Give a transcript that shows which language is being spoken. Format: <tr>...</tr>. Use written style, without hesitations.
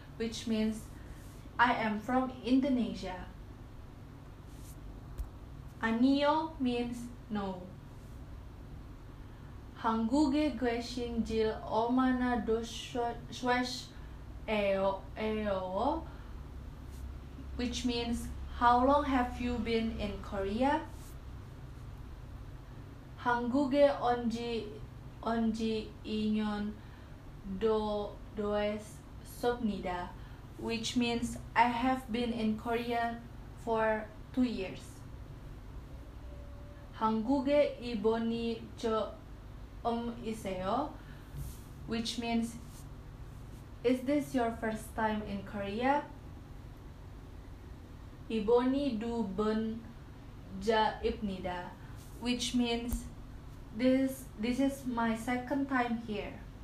<en>Which means, I am from Indonesia.</en> <ko>아니요</ko> <en>means no.</en> <ko>한국에 계신 지 얼마나 되셨어요?</ko> <en>Which means, how long have you been in Korea?</en> <ko>한국에 온지 2년 되었습니다.</ko> <en>Which means, I have been in Korea for 2 years.</en> <ko>한국에 이번이 처음이세요?</ko> <en>Which means, is this your first time in Korea?</en> <ko>이번이 두 번째입니다.</ko> <en>Which means, this is my second time here.</en>